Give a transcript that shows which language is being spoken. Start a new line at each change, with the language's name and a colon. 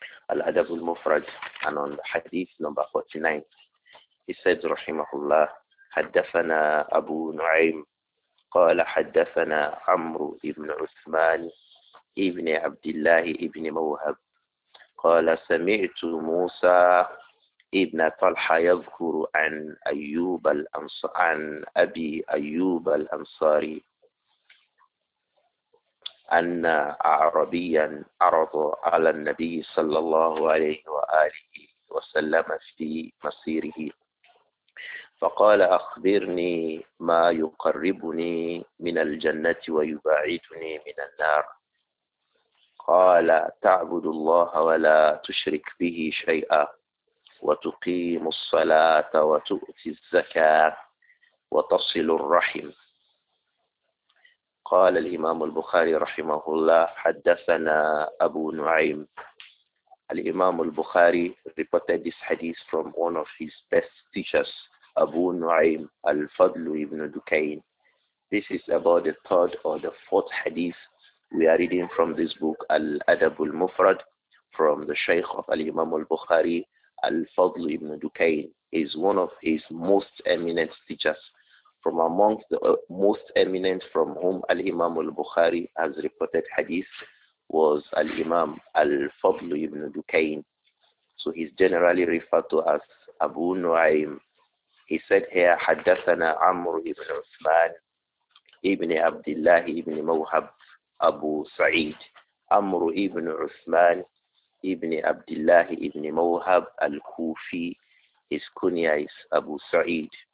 Arabic: Al-Adab al-Mufrad,
English: and on Hadith number 49, he says,
Arabic: Rahimahullah, Haddathana Abu Nu'aym, Qala Haddathana Amru ibn Uthman, ibn Abdullah ibn Mawhab, قال سمعت موسى ابن طلحة يذكر عن أيوب الأنصار عن أبي أيوب الأنصاري أن أعرابيا عرض على النبي صلى الله عليه وآله وسلم في مسيره، فقال أخبرني ما يقربني من الجنة ويبعدني من النار. قال تعبد الله ولا تشرك به شيئا، وتقيم الصلاة وتؤتي الزكاة وتصل الرحم. قال الإمام البخاري رحمه الله حدثنا أبو نعيم.
English: الإمام البخاري reported this hadith from one of his best teachers, Abu Nu'aym Al-Fadl ibn Dukayn. This is about the third or the fourth hadith we are reading from this book, Al-Adab Al-Mufrad, from the Shaykh of Al-Imam Al-Bukhari, Al-Fadl ibn Dukayn. He is one of his most eminent teachers, from amongst the most eminent from whom Al-Imam Al-Bukhari has reported hadith was Al-Imam Al-Fadl ibn Dukayn. So he's generally referred to as Abu Nu'aym. He said here,
Arabic: حدثنا عمر ابن عثمان ابن عبد الله ابن موهب أبو سعيد. عمر ابن عثمان ابن عبد الله ابن موهب الكوفي.
English: His kunya is Abu Sa'id.